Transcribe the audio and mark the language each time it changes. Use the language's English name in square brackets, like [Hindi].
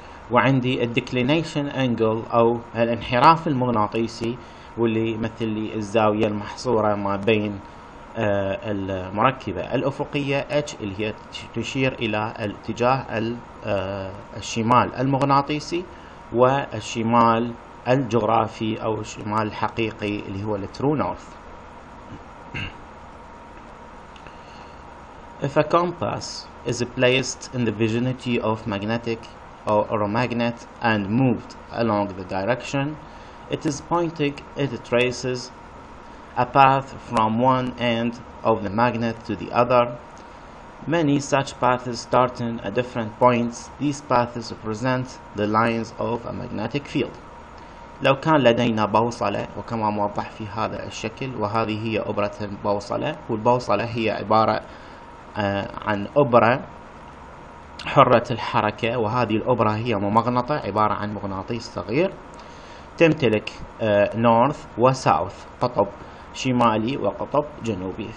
[Arabic] وعندي الـ Declination Angle أو الانحراف المغناطيسي واللي مثل لي الزاوية المحصورة ما بين المركبة الأفقية H اللي هي تشير إلى اتجاه الشمال المغناطيسي والشمال الجغرافي أو الشمال الحقيقي اللي هو الـ True North. [English] If a compass is placed in the vicinity of magnetic or a magnet and moved along the direction it is pointing, it traces a path from one end of the magnet to the other. Many such paths start in at different points. These paths represent the lines of a magnetic field. [Arabic] لو كان لدينا بوصلة، وكما موضح في هذا الشكل، وهذه هي أبرة البوصلة، والبوصلة هي عبارة عن أبرة حرة الحركة، وهذه الأبرة هي ممغنطة عبارة عن مغناطيس صغير، تمتلك نورث وساوث، قطب شمالي وقطب جنوبي.